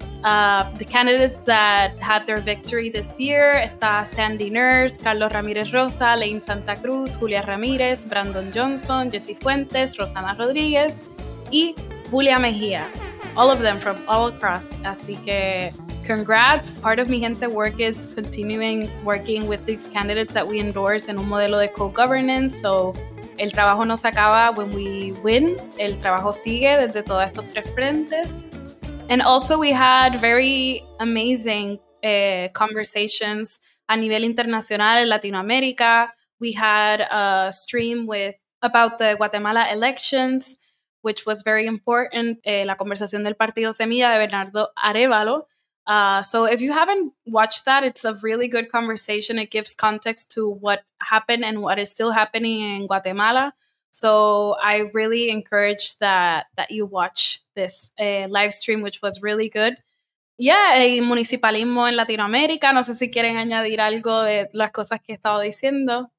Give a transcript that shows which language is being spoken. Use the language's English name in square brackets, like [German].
[English] The candidates that had their victory this year, [Spanish] está [English] Sandy Nurse, Carlos Ramírez Rosa, Lane Santa Cruz, Julia Ramírez, Brandon Johnson, Jesse Fuentes, Rosana Rodríguez, y Julia Mejía. All of them from all across. [Spanish] Así que, [English] congrats. Part of Mijente work is continuing working with these candidates that we endorse in [Spanish] un modelo de [English] co-governance. [Spanish] So, el trabajo no se acaba [English] when we win. [Spanish] El trabajo sigue desde todos estos tres frentes. [English] And also we had very amazing conversations [Spanish] a nivel internacional en Latinoamérica. [English] We had a stream about the Guatemala elections, which was very important. [Spanish] La conversación del Partido Semilla de Bernardo Arevalo. [English] So if you haven't watched that, it's a really good conversation. It gives context to what happened and what is still happening in Guatemala. So I really encourage that you watch this live stream, which was really good. [Spanish] Yeah, el municipalismo en Latinoamérica. No sé si quieren añadir algo de las cosas que he estado diciendo.